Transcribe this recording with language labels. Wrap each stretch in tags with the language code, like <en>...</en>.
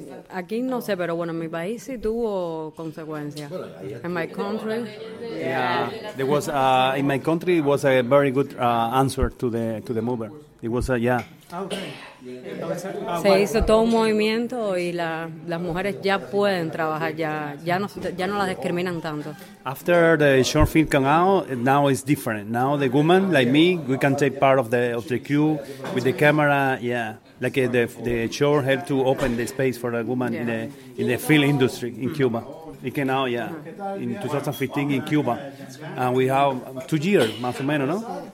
<es>Aquí no sé, pero bueno, en mi país sí tuvo consecuencias.</es> <en>In my country. Yeah. There was in my country it was a very good answer to the mover. It was yeah.</en> <es>Se hizo todo un movimiento y las mujeres ya pueden trabajar, ya no las discriminan tanto.</es> <en>After the short film came out, now it's different. Now the woman, like me, we can take part of the queue with the camera, yeah. Like the short helped to open the space for a woman in the film industry in Cuba. It came out, yeah, in 2015 in Cuba. And we have 2 years,</en> <es>más o menos, no?</es>